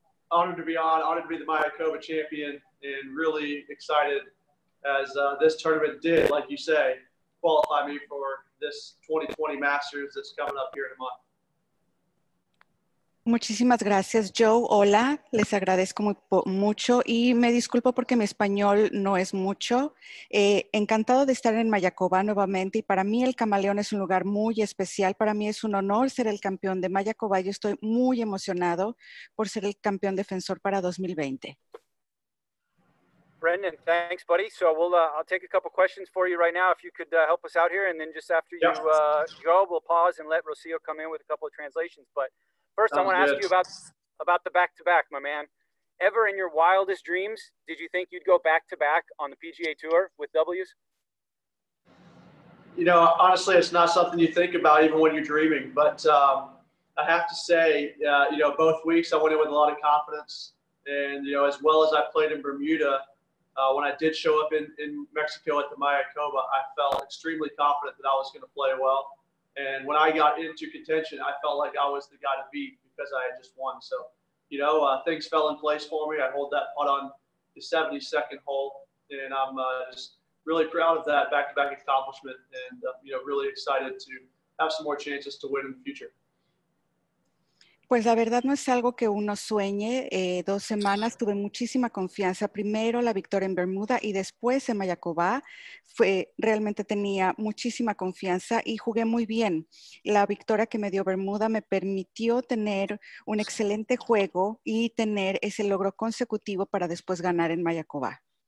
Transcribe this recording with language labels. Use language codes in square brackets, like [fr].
[en] Honored to be on, honored to be the Mayakoba champion, and really excited as this tournament did, like you say, qualify me for this 2020 Masters that's coming up here in a month. [es] Muchísimas gracias, Joe. Hola, les agradezco mucho y me disculpo porque mi español no es mucho. Encantado de estar en Mayakoba nuevamente y para mí el Camaleón es un lugar muy especial. Para mí es un honor ser el campeón de Mayakoba y estoy muy emocionado por ser el campeón defensor para 2020. [en] Brendan, thanks, buddy. So I'll take a couple questions for you right now if you could help us out here, and then just after you go, we'll pause and let Rocio come in with a couple of translations. But first, I want to ask you about the back-to-back, my man. Ever in your wildest dreams did you think you'd go back-to-back on the PGA Tour with Ws? You know, honestly, it's not something you think about even when you're dreaming. But I have to say, you know, both weeks I went in with a lot of confidence. And, you know, as well as I played in Bermuda, when I did show up in Mexico at the Mayakoba, I felt extremely confident that I was going to play well. And when I got into contention, I felt like I was the guy to beat because I had just won. So, you know, things fell in place for me. I hold that putt on the 72nd hole, and I'm just really proud of that back-to-back accomplishment, and you know, really excited to have some more chances to win in the future. [es] Pues la verdad no es algo que uno sueñe. Dos semanas tuve muchísima confianza. Primero la victoria en Bermuda y después en Mayakoba. Fue, realmente tenía muchísima confianza y jugué muy bien. La victoria que me dio Bermuda me permitió tener un excelente juego y tener ese logro consecutivo para después ganar en Mayakoba.